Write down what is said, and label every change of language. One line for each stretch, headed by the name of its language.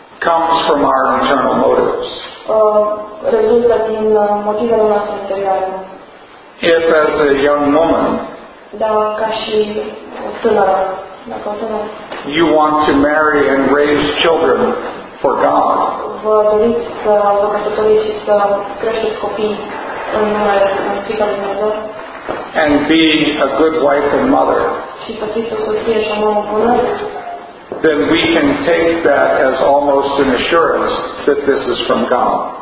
English: Comes from our internal motives.
Romanian: Rezultă din motivele noastre interioare.
English: If as a young woman,
Romanian: da, ca și o tânără, dacă o tânără,
English: you want to marry and raise children for God,
Romanian: vă doriți să vă căsătoriți și să creșteți copii în numele, în frica lui Dumnezeu,
English: and be a good wife and mother,
Romanian: și să fiți o soție și o mamă bună,
English: then we can take that as almost an assurance that this is from God.